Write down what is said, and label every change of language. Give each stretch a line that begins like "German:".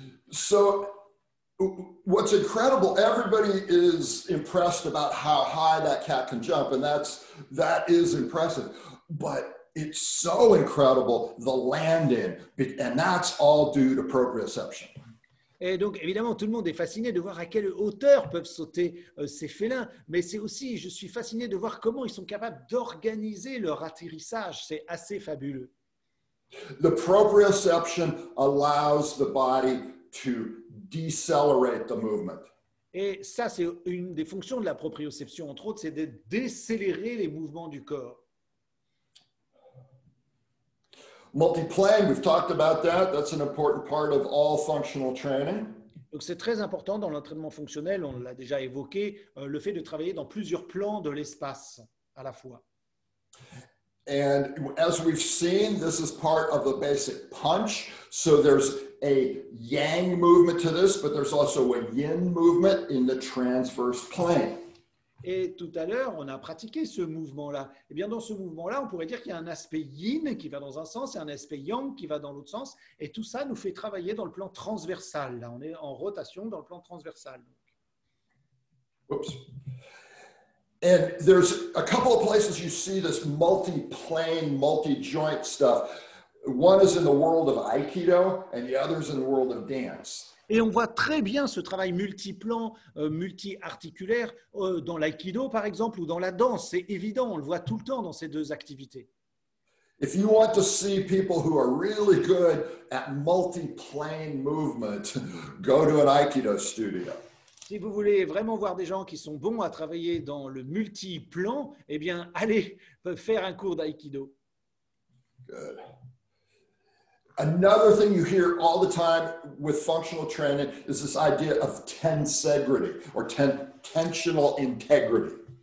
English: So what's incredible, everybody is impressed about how high that cat can jump, and that is impressive. But it's so incredible, the landing, and that's all due to proprioception.
French: Et donc, évidemment, tout le monde est fasciné de voir à quelle hauteur peuvent sauter ces félins, mais c'est aussi, je suis fasciné de voir comment ils sont capables d'organiser leur atterrissage. C'est assez fabuleux.
English: The proprioception allows the body to decelerate the movement.
French: Et ça, c'est une des fonctions de la proprioception, entre autres, c'est de décélérer les mouvements du corps.
English: Multiplane, we've talked about that. That's an important part of all functional training.
French: Donc, c'est très important dans l'entraînement fonctionnel, on l'a déjà évoqué, le fait de travailler dans plusieurs plans de l'espace à la fois.
English: And as we've seen, this is part of a basic punch. So there's a yang movement to this, but there's also a yin movement in the transverse plane.
French: Et tout à l'heure, on a pratiqué ce mouvement-là. Eh bien, dans ce mouvement-là, on pourrait dire qu'il y a un aspect yin qui va dans un sens et un aspect yang qui va dans l'autre sens. Et tout ça nous fait travailler dans le plan transversal. Là, on est en rotation dans le plan transversal. Donc. Oops.
English: And there's a couple of places you see this multi-plane, multi-joint stuff. One is in the world of Aikido, and the other is in the world of dance.
French: Et on voit très bien ce travail multi-plan, multi-articulaire dans l'Aikido, par exemple, ou dans la danse. C'est évident, on le voit tout le temps dans ces deux activités.
English: If you want to see people who are really good at multi-plane movement, go to an Aikido studio.
French: Si vous voulez vraiment voir des gens qui sont bons à travailler dans le multi-plan, eh bien, allez faire un cours d'Aikido.
English: Good. Another thing you hear all the time with functional training is this idea of tensegrity or tensional integrity.